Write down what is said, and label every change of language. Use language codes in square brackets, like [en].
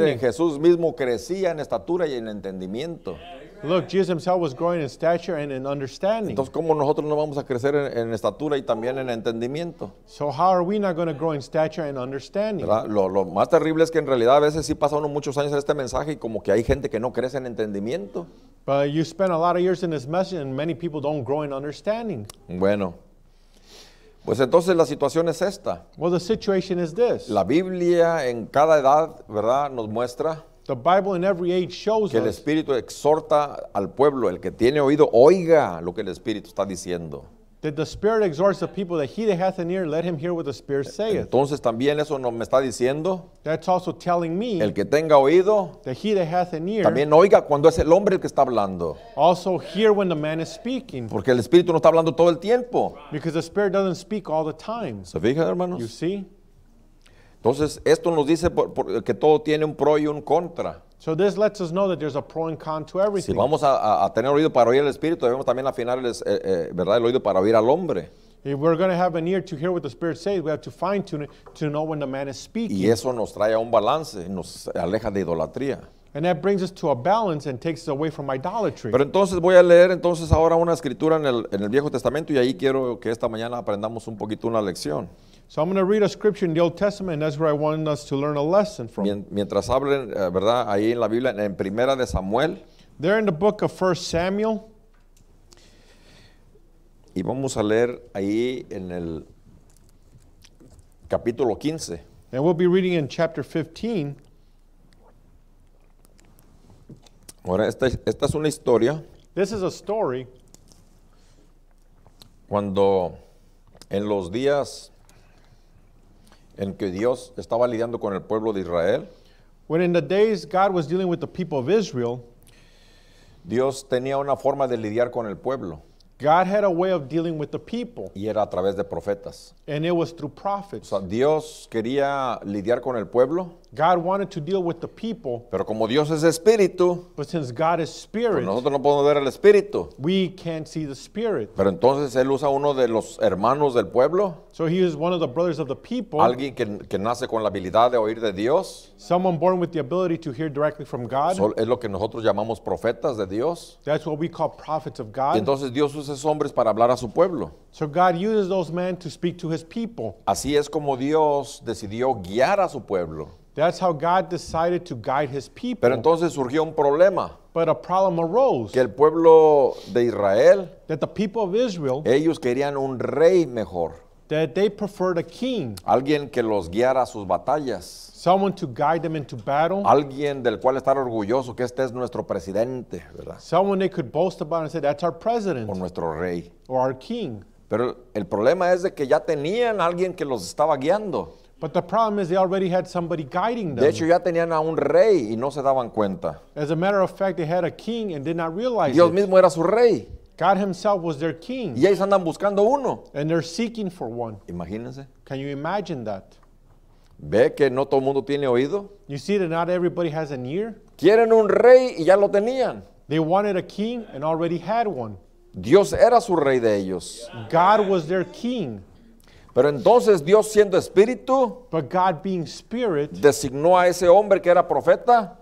[es] Miren, Jesús mismo crecía en estatura y en entendimiento. [en] Look, Jesus himself was growing in stature and in understanding. [es] Entonces, ¿cómo nosotros no vamos a crecer en estatura y también en entendimiento? [en] So how are we not going to grow in stature and understanding? [es] ¿Verdad? Lo más terrible es que en realidad a veces sí pasa uno muchos años en este mensaje y como que hay gente que no crece en entendimiento. [en] But you spend a lot of years in this message and many people don't grow in understanding. [es] Bueno. Pues entonces la situación es esta. [en] Well, the situation is this. [es] La Biblia en cada edad, ¿verdad?, nos muestra. [en] The Bible in every age shows [es] que el Espíritu exhorta al pueblo, el que tiene oído, oiga lo que el Espíritu está diciendo. [en] That the Spirit exhorts the people that he that hath an ear, let him hear what the Spirit saith. [es] Entonces también eso no me está diciendo. [en] That's also telling me. [es] El que tenga oído. [en] That he that hath an ear. [es] También oiga cuando es el hombre el que está hablando. [en] Also hear when the man is speaking. [es] Porque el Espíritu no está hablando todo el tiempo. [en] Because the Spirit doesn't speak all the time. [es] ¿Se fija, hermanos? [en] You see? [es] Entonces, esto nos dice que todo tiene un pro y un contra. [en] So this lets us know that there's a pro and con to everything. [es] Si vamos a tener oído para oír el Espíritu, debemos también afinar el oído para oír al hombre. [en] If we're going to have an ear to hear what the Spirit says, we have to fine tune it to know when the man is speaking. [es] Y eso nos trae a un balance, nos aleja de idolatría. [en] And that brings us to a balance and takes us away from idolatry. [es] Pero entonces voy a leer entonces ahora una escritura en el Viejo Testamento y ahí quiero que esta mañana aprendamos un poquito una lección. [en] So I'm going to read a scripture in the Old Testament, and that's where I want us to learn a lesson from. [es] Mientras hablen, ¿verdad? Ahí en la Biblia, en Primera de Samuel. [en] There in the book of 1 Samuel. [es] Y vamos a leer ahí en el capítulo 15. [en] And we'll be reading in chapter 15. [es] Ahora, esta es una historia. [en] This is a story. [es] Cuando en los días en que Dios estaba lidiando con el pueblo de Israel. [en] When in the days God was dealing with the people of Israel, [es] Dios tenía una forma de lidiar con el pueblo. [en] God had a way of dealing with the people. [es] Y era a través de profetas. [en] And it was through prophets. [es] O sea, Dios quería lidiar con el pueblo. [en] God wanted to deal with the people. [es] Pero como Dios es espíritu, [en] but since God is spirit, [es] pues nosotros no podemos ver el espíritu. [en] We can't see the spirit. [es] Pero entonces él usa uno de los hermanos del pueblo. [en] So he is one of the brothers of the people. [es] Alguien que nace con la habilidad de oír de Dios. [en] Someone born with the ability to hear directly from God. [es] Es lo que nosotros llamamos profetas de Dios. [en] That's what we call prophets of God. [es] Y entonces Dios usa esos hombres para hablar a su pueblo. [en] So God uses those men to speak to his people. [es] Así es como Dios decidió guiar a su pueblo. [en] That's how God decided to guide his people. [es] Pero entonces surgió un problema. [en] But a problem arose. [es] Que el pueblo de Israel, [en] that the people of Israel, [es] ellos querían un rey mejor. [en] That they preferred a king. [es] Alguien que los guiara a sus batallas. [en] Someone to guide them into battle. [es] Alguien del cual estar orgulloso que este es nuestro presidente, ¿verdad? [en] Someone they could boast about and say, that's our president. [es] O nuestro rey. [en] Or our king. [es] Pero el problema es de que ya tenían alguien que los estaba guiando. [en] But the problem is they already had somebody guiding them. [es] De hecho, ya tenían a un rey y no se daban cuenta. [en] As a matter of fact, they had a king and did not realize [es] Dios mismo [en] it. [es] Era su rey. [en] God himself was their king. [es] Y ellos andan buscando uno. [en] And they're seeking for one. [es] Imagínense. [en] Can you imagine that? [es] ¿Ve que no todo mundo tiene oído? [en] You see that not everybody has an ear? [es] Quieren un rey y ya lo tenían. [en] They wanted a king and already had one. [es] Dios era su rey de ellos. [en] God was their king. [es] Pero entonces Dios siendo espíritu, [en] but God being spirit, [es] designó a ese hombre que era profeta,